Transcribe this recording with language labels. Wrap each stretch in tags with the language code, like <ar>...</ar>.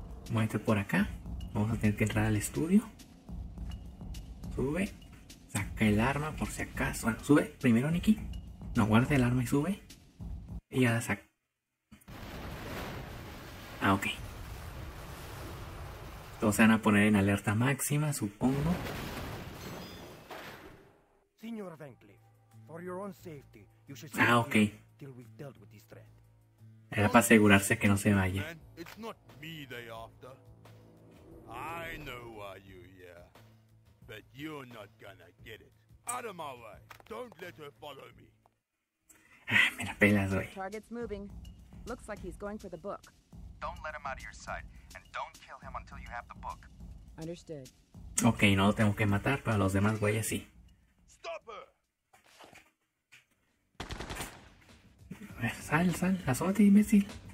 <es>Muévete por acá. Vamos a tener que entrar al estudio. Sube. Saca el arma por si acaso. Bueno, sube primero, Nicky. No, guarda el arma y sube. Y ya la saca. Ah, ok. Entonces se van a poner en alerta máxima, supongo.</es> <en>Señor Van Cleef, for your own safety, you should stay here till we've dealt with this threat.</en> <es>Era para asegurarse que no se vaya.</es> <en>It's not me they after. I know why you're here, but you're not gonna get it. Out of my way. Don't let her follow me.</en> <es>Ah, me la pelas, güey.</es> <en>Target's moving. Looks like he's going for the book. Don't let him out of your sight, and don't kill him until you have the book. Understood.</en> <es>Okay, no lo tengo que matar, pero a los demás güeyes sí.</es> <en>Stop her.</en> <es>Sal, sal, asómate, imbécil.</es>